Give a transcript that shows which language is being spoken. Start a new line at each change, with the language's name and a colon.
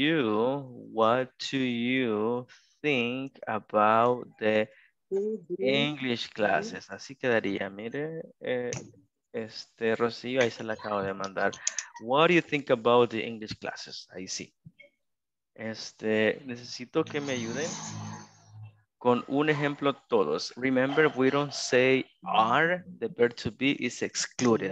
English: What do you think about the English classes?
Spanish: Así quedaría, mire. Rocío, ahí se la acabo de mandar.
English: What do you think about the English classes?
Spanish: Ahí sí. Necesito que me ayuden con un ejemplo todos.
English: Remember, we don't say are, the verb to be is excluded.